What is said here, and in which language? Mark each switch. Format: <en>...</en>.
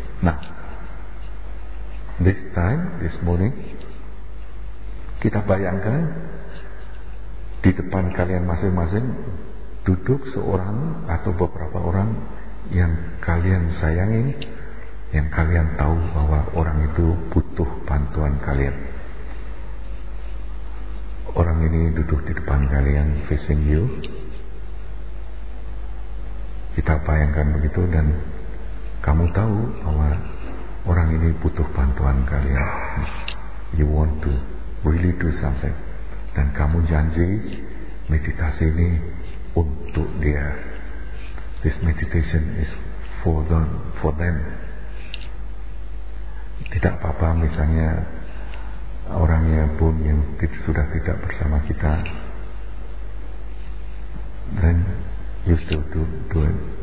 <id>Nah,</id> <en>this time, this morning,</en> <id>kita bayangkan di depan kalian masing-masing duduk seorang atau beberapa orang yang kalian sayangin, yang kalian tahu bahwa orang itu butuh bantuan kalian. Orang ini duduk di depan kalian</id> <en>facing you.</en> <id>Kita bayangkan begitu dan kamu tahu bahwa orang ini butuh bantuan kalian.</id> <en>You want to really do something.</en> <id>Dan kamu janji meditasi ini untuk dia.</id> <en>This meditation is for them.</en> <id>Tidak apa-apa misalnya orangnya pun yang sudah tidak bersama kita,</id> <en>then you still do it.</en>